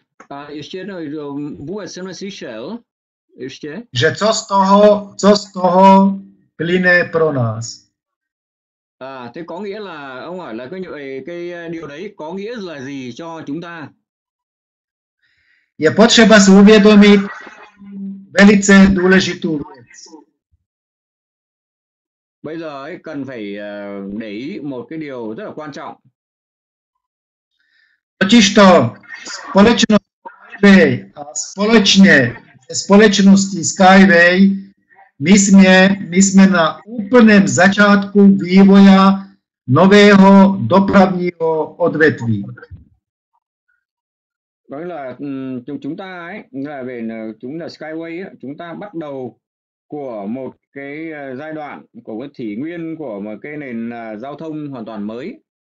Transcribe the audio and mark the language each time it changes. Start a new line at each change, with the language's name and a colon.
Czech: A ještě jedno, vůbec jsem neslyšel. Ještě? Že co z toho plyne pro nás?
Vietnamese: À, thế có nghĩa là ông hỏi là cái điều đấy có nghĩa là gì cho chúng ta?
Czech: Je potřeba si uvědomit velice důležitou věc.
Vietnamese: Bây giờ ấy, cần phải để ý một cái điều rất là quan trọng.
Czech: Totiž to společnost Skyway a společně se společností Skyway My jsme na úplném začátku vývoja nového dopravního odvětví.
Vietnamese: Đấy là chúng ta ấy, là về chúng là Skyway, chúng ta bắt đầu của một cái giai đoạn của cái thỉ nguyên của một cái nền giao thông hoàn toàn mới.